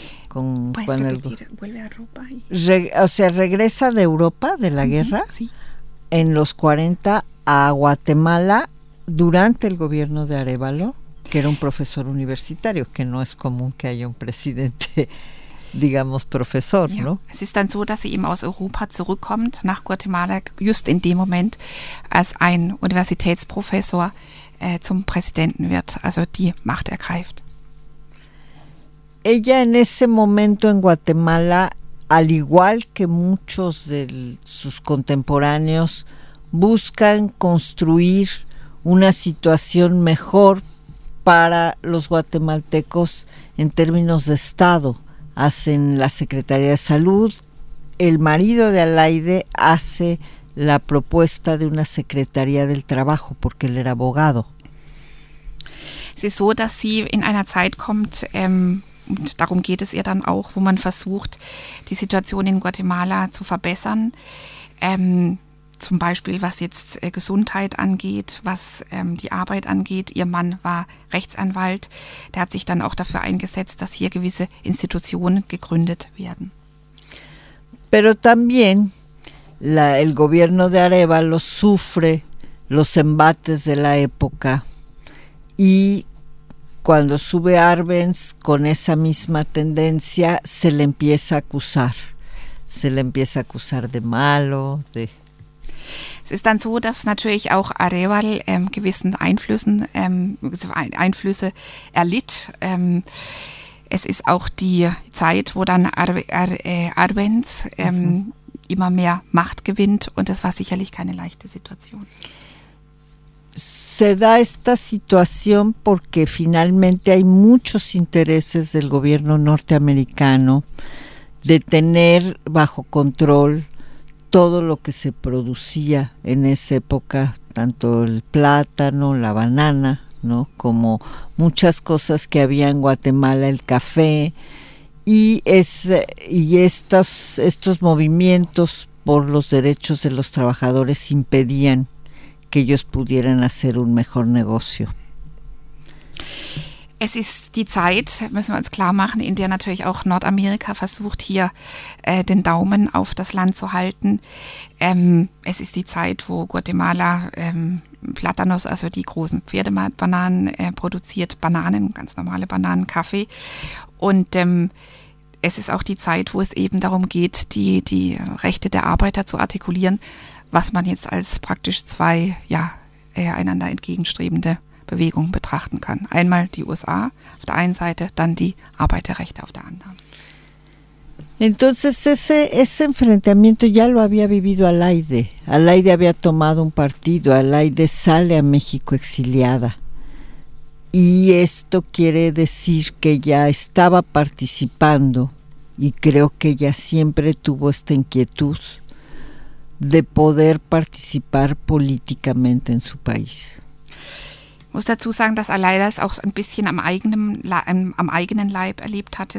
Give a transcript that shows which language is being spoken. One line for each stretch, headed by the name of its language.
Spanish: Regresa de Europa, de la guerra, en los 40 a Guatemala durante el gobierno de Arévalo, que era un profesor universitario, que no es común que haya un presidente, digamos, profesor, ¿no?
German: Es ist dann so, dass sie eben aus Europa zurückkommt, nach Guatemala, just in dem Moment, als ein Universitätsprofessor zum Präsidenten wird, also die Macht ergreift.
Spanish: Ella en ese momento en Guatemala, al igual que muchos de sus contemporáneos, buscan construir una situación mejor para los guatemaltecos en términos de Estado. Hacen la Secretaría de Salud, el marido de Aleida hace la propuesta de una Secretaría del Trabajo porque él era abogado.
German: Es ist so, dass sie in einer Zeit kommt, und darum geht es ihr dann auch, wo man versucht, die Situation in Guatemala zu verbessern. Zum Beispiel, was jetzt Gesundheit angeht, was die Arbeit angeht. Ihr Mann war Rechtsanwalt. Der hat sich dann auch dafür eingesetzt, dass hier gewisse Institutionen gegründet werden.
Spanish: Pero también el gobierno de Arévalo sufre los embates de la época y cuando sube Arbenz con esa misma tendencia, se le empieza a acusar. Se le empieza a acusar de malo, de...
German: Es ist dann so, dass natürlich auch Areval gewissen Einflüssen, Einflüsse erlitt. Es ist auch die Zeit, wo dann Arbenz immer mehr Macht gewinnt und es war sicherlich keine leichte Situation.
Spanish: Se da esta situación porque finalmente hay muchos intereses del gobierno norteamericano de tener bajo control todo lo que se producía en esa época, tanto el plátano, la banana, ¿no?, como muchas cosas que había en Guatemala, el café, y estos movimientos por los derechos de los trabajadores impedían que ellos pudieran hacer un mejor negocio.
German: Es ist die Zeit, müssen wir uns klar machen, in der natürlich auch Nordamerika versucht, hier den Daumen auf das Land zu halten. Es ist die Zeit, wo Guatemala Platanos, also die großen Pferdebananen, produziert, Bananen, ganz normale Bananen, Kaffee. Und es ist auch die Zeit, wo es eben darum geht, die Rechte der Arbeiter zu artikulieren, was man jetzt als praktisch zwei einander entgegenstrebende Bewegung betrachten kann. Einmal die USA auf der einen Seite, dann die Arbeiterrechte auf der anderen.
Spanish: Entonces ese enfrentamiento ya lo había vivido Alaide. Alaide había tomado un partido. Alaide sale a México exiliada. Y esto quiere decir que ya estaba participando y creo que ya siempre tuvo esta inquietud de poder participar políticamente en su país.
German: Ich muss dazu sagen, dass Alaida es auch ein bisschen am eigenen Leib erlebt hatte.